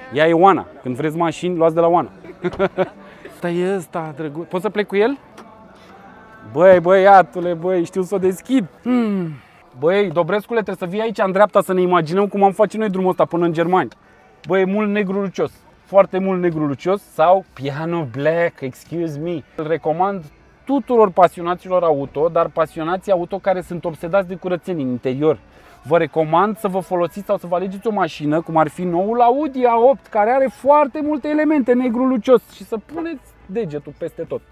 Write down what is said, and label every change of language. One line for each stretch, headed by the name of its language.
Romanian: Ia e Oana. Când vreți mașini, luați de la Oana. Stai ăsta, drăguț. Poți să plec cu el? Băi, băiatule, băi, știu să o deschid. Băi, Dobrescule, trebuie să vii aici în dreapta să ne imaginăm cum am face noi drumul ăsta până în Germania. Băi, mult negru lucios. Foarte mult negru lucios.
English: Sau piano black, excuse me.
Romanian: Îl recomand tuturor pasionaților auto, dar pasionații auto care sunt obsedați de curățenie în interior. Vă recomand să vă folosiți sau să vă alegeți o mașină, cum ar fi noul Audi A8, care are foarte multe elemente negru lucios și să puneți degetul peste tot.